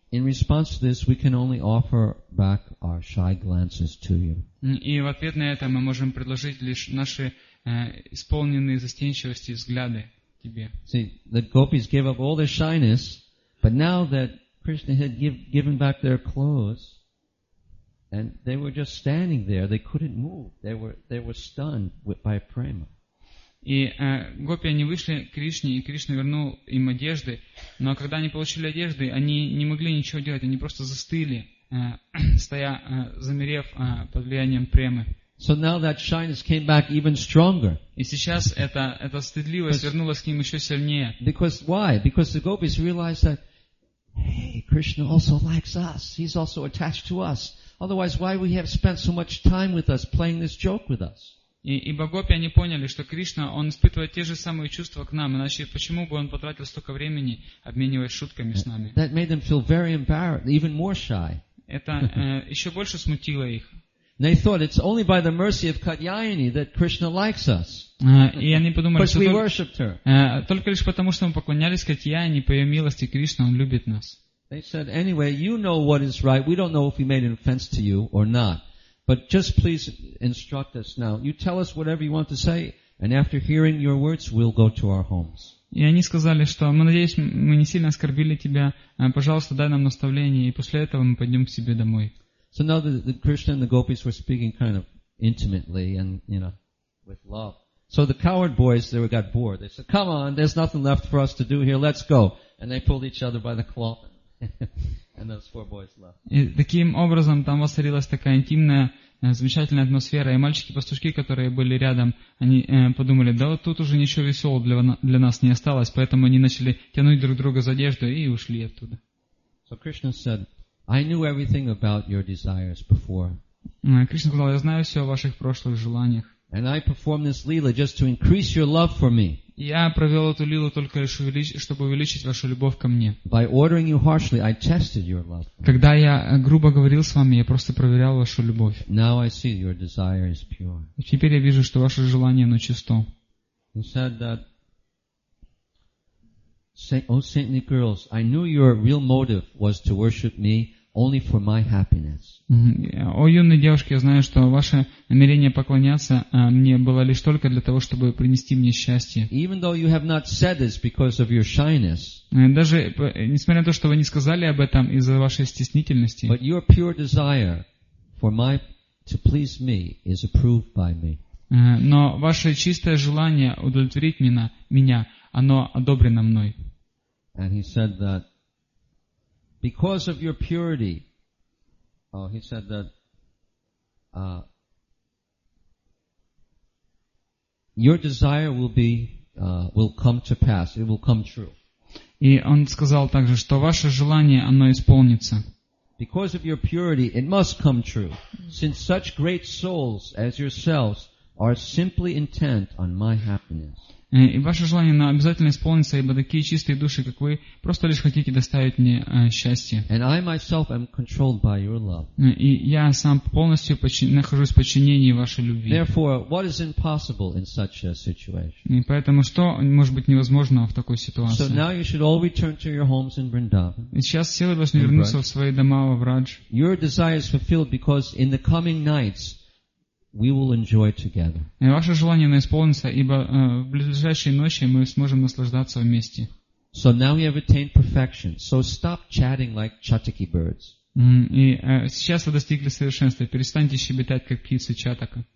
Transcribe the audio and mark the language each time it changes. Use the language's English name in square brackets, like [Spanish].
[English] In response to this, we can only offer back our shy glances to you. [Russian] И в ответ на это мы можем предложить лишь наши исполненные застенчивости взгляды тебе. [English] See, the gopis gave up all their shyness, but now that Krishna had given back their clothes, and they were just standing there, they couldn't move. They were stunned by prema. [Russian] И гопи, они вышли к Кришне, и Кришна вернул им одежды. Но когда они получили одежды, они не могли ничего делать, они просто застыли, замерев под влиянием премы. [English] So now that shyness came back even stronger. [Russian] И сейчас эта стыдливость вернулась к ним еще сильнее. [English] Because why? Because the gopis realized that, hey, Krishna also likes us. He's also attached to us. Otherwise, why would he have spent so much time with us, playing this joke with us? [Russian] И гопи, они поняли, что Кришна, Он испытывает те же самые чувства к нам, иначе почему бы Он потратил столько времени, обмениваясь шутками с нами? [English] That made them feel very embarrassed, even more shy. [Russian] Это еще больше смутило их. [English] They thought it's only by the mercy of Katyayani that Krishna likes us. [Russian] И они подумали, [English] but we worshipped her. [Russian] Только лишь потому, что мы поклонялись Катьяйани, по ее милости Кришна, Он любит нас. [English] They said, anyway, you know what is right. We don't know if we made an offense to you or not. But just please instruct us now. You tell us whatever you want to say, and after hearing your words, we'll go to our homes. [Russian] И они сказали, что мы надеемся, мы не сильно оскорбили тебя. Пожалуйста, дай нам наставление, и после этого мы пойдем к себе домой. [English] So now the Krishna and the gopis were speaking kind of intimately and, you know, with love. So the coward boys, they got bored. They said, come on, there's nothing left for us to do here. Let's go. And they pulled each other by the cloth. And those four boys left. [Russian] И таким образом там воцарилась такая интимная, замечательная атмосфера, и мальчики-пастушки, которые были рядом, они подумали, да вот тут уже ничего веселого для нас не осталось, поэтому они начали тянуть друг друга за одежду и ушли оттуда. [English] So Krishna said, I knew everything about your desires before. [Russian] Кришна сказал, я знаю все о ваших прошлых желаниях. [English] And I performed this lila just to increase your love for me. [Russian] Я провел эту лилу только лишь чтобы увеличить вашу любовь ко мне. [English] By ordering you harshly, I tested your love. [Russian] Когда я грубо говорил с вами, я просто проверял вашу любовь. [English] Now I see your desire is pure. [Russian] И теперь я вижу, что ваше желание, оно чисто. [English] He said that, oh saintly girls, I knew your real motive was to worship me only for my happiness. [Russian] О юные девушки, я знаю, что ваше намерение поклоняться мне было лишь только для того, чтобы принести мне счастье. [English] Even though you have not said this because of your shyness. [Russian] Даже несмотря на то, что вы не сказали об этом из-за вашей стеснительности. [English] But your pure desire for my to please me is approved by me. [Russian] Но ваше чистое желание удовлетворить меня, оно одобрено мной. [English] And he said that because of your purity, oh, he said that your desire will come to pass. It will come true. [Russian] И он сказал также, что ваше желание, оно исполнится. [English] Because of your purity, it must come true, since such great souls as yourselves are simply intent on my happiness. [Russian] И ваше желание, оно обязательно исполнится, ибо такие чистые души, как вы, просто лишь хотите доставить мне счастье. [English] And I myself am controlled by your love. [Russian] И я сам полностью нахожусь в подчинении вашей любви. [English] Therefore, what is impossible in such a situation? [Russian] И поэтому, что может быть невозможно в такой ситуации? [English] So now you should all return to your homes in Vrindavan. [Russian] И сейчас все вы должны вернуться в свои дома во Врадж. [English] Your desire is fulfilled because in the coming nights, we will enjoy together. [Russian] И ваше желание исполнится, ибо в ближайшие ночи мы сможем наслаждаться вместе. [English] So now we have attained perfection. So stop chatting like chattiki birds. [Russian] Сейчас вы достигли совершенства. Перестаньте щебетать, как птицы чатака.